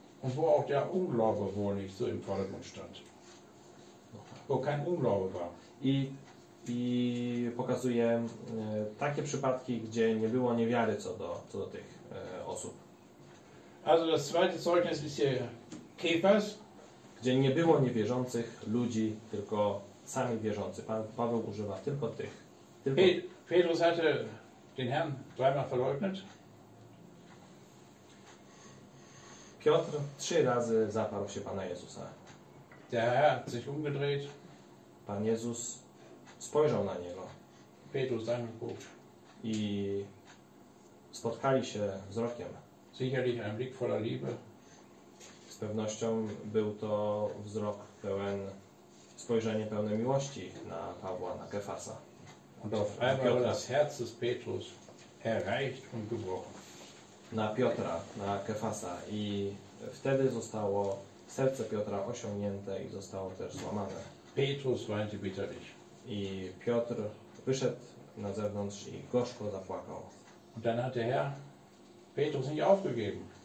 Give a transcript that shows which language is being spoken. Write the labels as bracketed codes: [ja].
[de] Und wo auch der Unglaube wohl nicht so im Vordergrund stand. Wo kein Unglaube war. [pl] I pokazuje takie przypadki, gdzie nie było niewiary co do tych osób. [de] Also das zweite Zeugnis ist hier Kephas. [pl] Gdzie nie było niewierzących ludzi, tylko sami wierzący. Pan Paweł używa tylko tych. [de] Petrus hatte den Herrn dreimal verleugnet. [pl] Piotr trzy razy zaparł się Pana Jezusa. [de] Der Herr hat sich umgedreht. [pl] Pan Jezus spojrzał na niego. [de] Petrus dann gut. [pl] I spotkali się wzrokiem. [de] Sicherlich ein Blick voller Liebe. [pl] Z pewnością był to wzrok pełen, spojrzenie pełne miłości na Pawła, na Kefasa. [de] Und auf einmal das Herz des Petrus erreicht und gebrochen. [pl] Na Piotra, na Kefasa. I wtedy zostało serce Piotra osiągnięte i zostało też złamane. [de] Petrus weinte bitterlich. [pl] I Piotr wyszedł na zewnątrz i gorzko zapłakał. [de] Und dann hat der Herr Petrus nicht aufgegeben.